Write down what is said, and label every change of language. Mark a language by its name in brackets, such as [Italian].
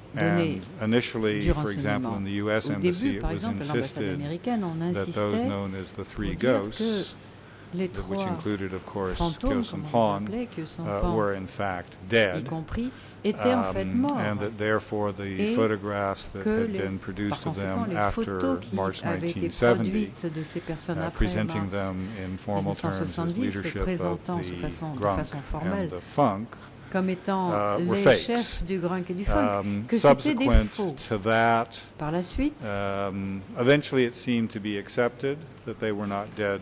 [English] and initially, for example, in the U.S. embassy, it was insisted that those known as the three ghosts, which included, of course, Kyosampon, were in fact dead, and that therefore the photographs that had been produced of them after March 1970, presenting them in formal terms as leadership of the Grunk and the Funk, [French] comme étant les fakes. Chefs du Grunk et du Funk, que c'était des faux. [English] To that, [French] par la suite, [English] eventually it seemed to be accepted that they were not dead,